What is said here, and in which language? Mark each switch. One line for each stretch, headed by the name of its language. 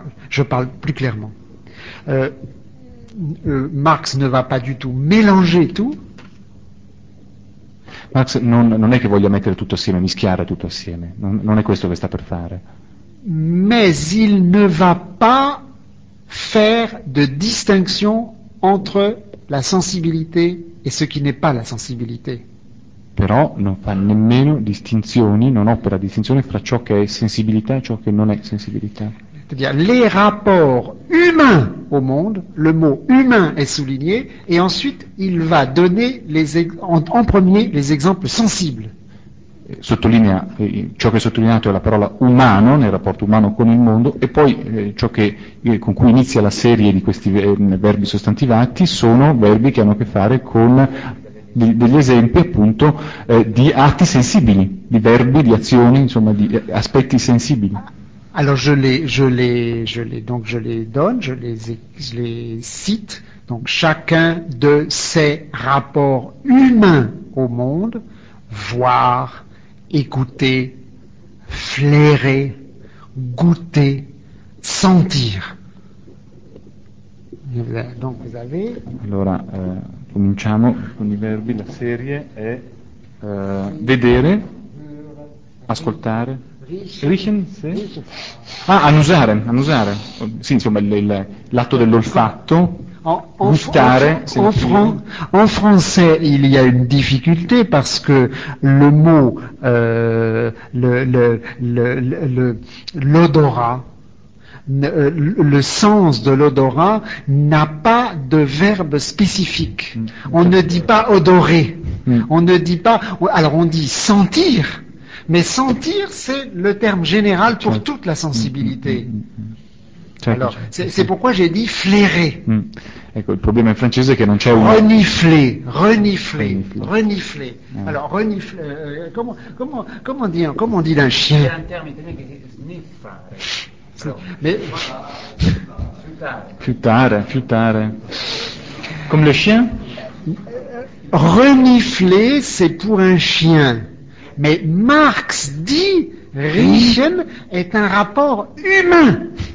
French: Je parle plus clairement. Marx ne va pas du tout mélanger tout.
Italian: Marx non è che voglia mettere tutto assieme, mischiare tutto assieme, non è questo che sta per fare.
French: Mais il ne va pas faire de distinction entre la sensibilité et ce qui n'est pas la sensibilité.
Italian: Però non fa nemmeno distinzioni, non opera distinzioni fra ciò che è sensibilità e ciò che non è sensibilità.
French: C'est-à-dire les rapports humains au monde, le mot humain est souligné, et ensuite il va donner en premier les exemples sensibles.
Italian: Sottolinea, ciò che è sottolineato è la parola umano, nel rapporto umano con il mondo, e poi ciò che, con cui inizia la serie di questi verbi sostantivati sono verbi che hanno a che fare con degli esempi appunto di atti sensibili, di verbi, di azioni, insomma di aspetti sensibili.
French: Alors je les cite. Donc chacun de ses rapports humains au monde, voir, écouter, flairer, goûter, sentir. Donc vous avez.
Italian: Allora, cominciamo con i verbi. La serie è vedere, ascoltare. Riechen, sì. Ah, annusare. Sì, insomma, l'atto dell'olfatto. Gustare.
French: En français, il y a une difficulté parce que le mot l'odorat, le sens de l'odorat n'a pas de verbe spécifique. On ne dit pas odorer. On ne dit pas. Alors, on dit sentir. Mais sentir, c'est le terme général pour certo. Toute la sensibilité. Certo, alors, certo. C'est pourquoi j'ai dit flairer.
Italian: Ecco, il problema in francese è che non c'è un.
French: Renifler. Alors, renifler. Comment dire un chien? C'est un terme italien
Italian: che dice sniffare. Mais. Fiutare.
French: comme le chien. Renifler, c'est pour un chien. Mais Marx dit riechen est un rapport humain.